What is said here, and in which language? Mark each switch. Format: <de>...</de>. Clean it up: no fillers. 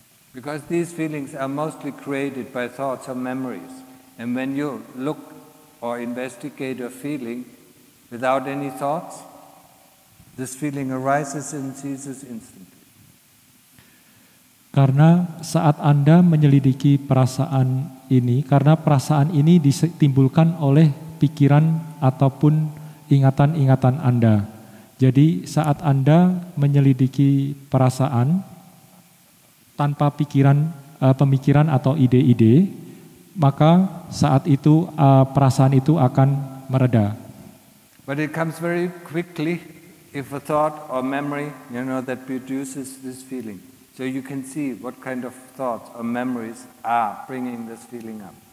<en>Because these feelings are mostly created by thoughts or memories, and when you look or investigate a feeling without any thoughts, this feeling arises and ceases instantly.</en> <id>Karena saat Anda menyelidiki perasaan ini, karena perasaan ini ditimbulkan oleh pikiran ataupun ingatan-ingatan Anda. Jadi saat Anda menyelidiki perasaan tanpa pikiran, pemikiran atau ide-ide, maka saat itu perasaan itu akan mereda.</id> <en>But it comes very quickly. If a thought or memory, you know, that produces this feeling, so you can see what kind of thoughts or memories are bringing this feeling up.</en>